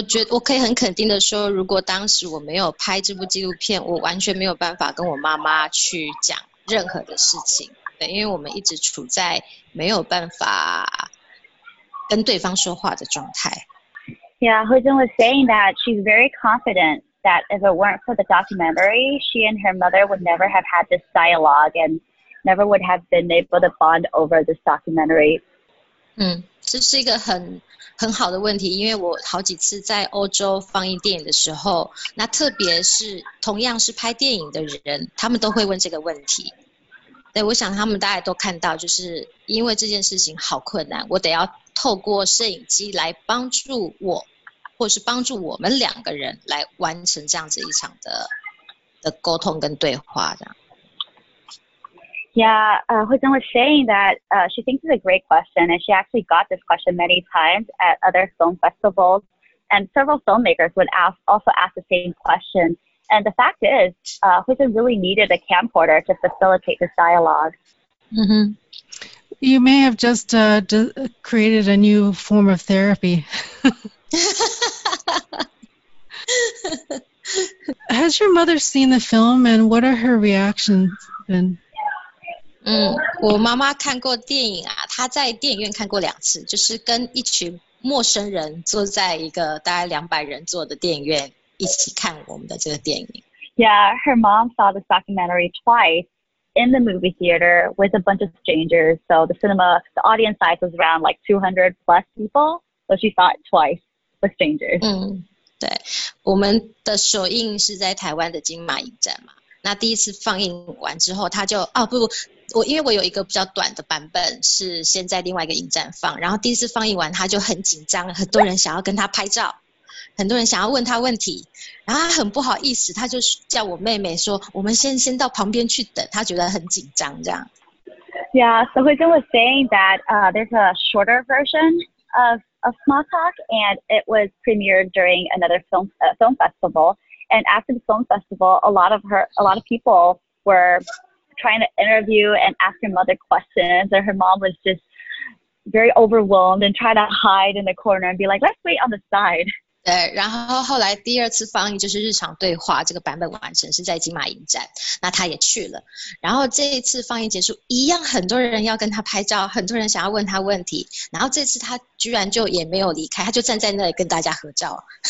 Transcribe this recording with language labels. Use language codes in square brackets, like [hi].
[zh] 我可以很肯定的说，如果当时我没有拍这部纪录片，我完全没有办法跟我妈妈去讲任何的事情，对，因为我们一直处在没有办法跟对方说话的状态。 [en] Yeah, Hui Zhen was saying that she's very confident that if it weren't for the documentary, she and her mother would never have had this dialogue and never would have been able to bond over this documentary. [zh] 这是一个很好的问题，因为我好几次在欧洲放映电影的时候，那特别是同样是拍电影的人，他们都会问这个问题。对，我想他们大概都看到，就是因为这件事情好困难，我得要透过摄影机来帮助我，或是帮助我们两个人来完成这样子一场的沟通跟对话这样。 [en] Yeah, Hui Zhen was saying that she thinks it's a great question, and she actually got this question many times at other film festivals, and several filmmakers would also ask the same question. And the fact is, Hui Zhen really needed a camcorder to facilitate this dialogue. Mm-hmm. You may have just created a new form of therapy. Has your mother seen the film, and what are her reactions been? [zh] 我妈妈看过电影啊，她在电影院看过两次，就是跟一群陌生人坐在一个大概200人坐的电影院一起看我们的这个电影。 [en] Yeah, her mom saw this documentary twice in the movie theater with a bunch of strangers. So the audience size was around like 200 plus people. So she saw it twice with strangers. [zh] 对，我们的首映是在台湾的金马影展嘛。那第一次放映完之后，她就我因为我有一个比较短的版本是先在另外一个影展放，然后第一次放映完他就很紧张，很多人想要跟他拍照，很多人想要问他问题，然后他很不好意思，他就叫我妹妹说我们先到旁边去等，他觉得很紧张这样。 [en] Yeah, so Hui Zhen was saying that there's a shorter version of Small Talk and it was premiered during another film festival, and after the film festival a lot of people were trying to interview and ask her mother questions, and her mom was just very overwhelmed and try to hide in the corner and be like, let's wait on the side. [zh] 对，然后后来第二次放映就是日常对话这个版本完成是在金马影展，那她也去了，然后这一次放映结束一样很多人要跟她拍照，很多人想要问她问题，然后这次她居然就也没有离开，她就站在那里跟大家合照。